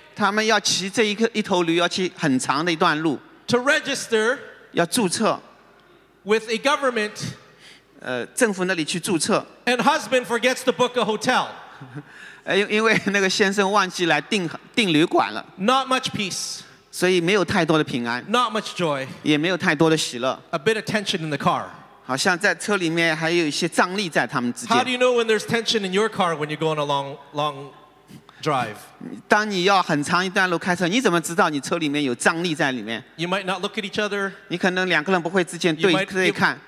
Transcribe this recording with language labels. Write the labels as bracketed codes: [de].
[zh] 他们要骑这一头驴要骑很长的一段路。 [en] To register. [zh] 要注册。 [en] With a government. [zh] 政府那里去注册。 [en] And husband forgets to book a hotel. [zh] 因为那个先生忘记来订旅馆了。 [en] Not much peace. [zh] 所以没有太多的平安。 [en] Not much joy. [zh] 也没有太多的喜乐。 [en] A bit of tension in the car. [zh] 好像在车里面还有一些张力在他们之间。 [en] How do you know when there's tension in your car when you go on a long, long drive? [zh] 当你要很长一段路开车，你怎么知道你车里面有张力在里面？ [en] You might not look at each other. [zh] 你可能两个人不会之间对对看。